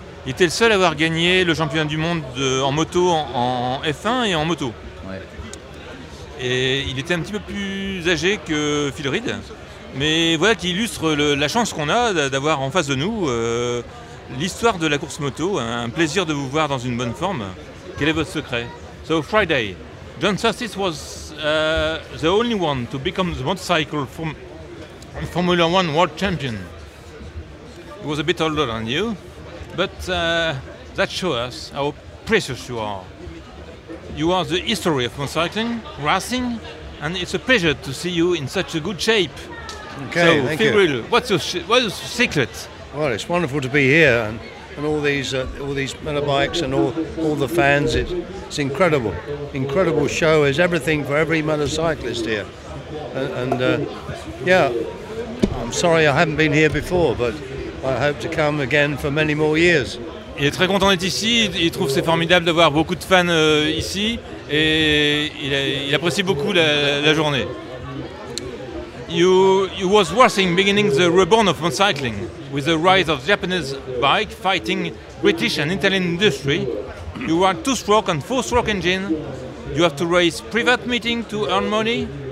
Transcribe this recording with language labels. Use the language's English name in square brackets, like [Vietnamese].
[French] Il était le seul à avoir gagné le championnat du monde en moto, en F1 et en moto. Ouais. Et il était un petit peu plus âgé que Phil Reed. Mais voilà qui illustre la chance qu'on a d'avoir en face de nous l'histoire de la course moto. Un plaisir de vous voir dans une bonne forme. Quel est votre secret? [English] So Friday, John Surtees was the only one to become the motorcycle Formula One world champion. He was a bit older than you, but that shows us how precious you are. You are the history of motorcycling, racing, and it's a pleasure to see you in such a good shape. Okay, so, thank you. What's your secret? Well, it's wonderful to be here, and all these motorbikes and all the fans. It's incredible. Incredible show. There's everything for every motorcyclist here. I'm sorry I haven't been here before, but I hope to come again for many more years. [French] Il est très content d'être ici. Il trouve c'est formidable d'avoir beaucoup de fans ici. Et il apprécie beaucoup la journée. [English] You was worthing beginning the reborn of motorcycling with the rise of Japanese bike fighting British and Italian industry. You run two-stroke and four-stroke engine. You have to race private meeting to earn money.